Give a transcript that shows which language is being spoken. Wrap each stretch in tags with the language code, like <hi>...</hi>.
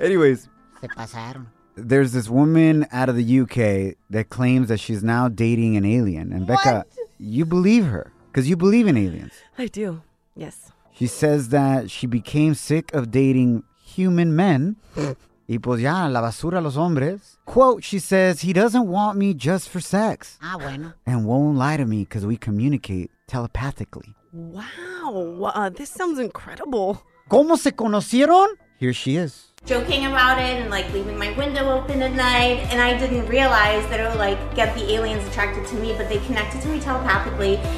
<en>Anyways.</en> <es>Se pasaron.</es> <en>there's this woman out of the UK that claims that she's now dating an alien. And Becca, what? You believe her because you believe in aliens. I do. Yes. She says that she became sick of dating human men.</en> <es>Y pues ya, la basura a los hombres.</es> <en>Quote, she says, he doesn't want me just for sex.</en> <es>Ah, bueno.</es> <en>And won't lie to me because we communicate telepathically. Wow, this sounds incredible.</en> <es>¿Cómo se conocieron?</es> <en>Here she is. Joking about it and like leaving my window open at night. And I didn't realize that it would like get the aliens attracted to me, but they connected to me telepathically.</en>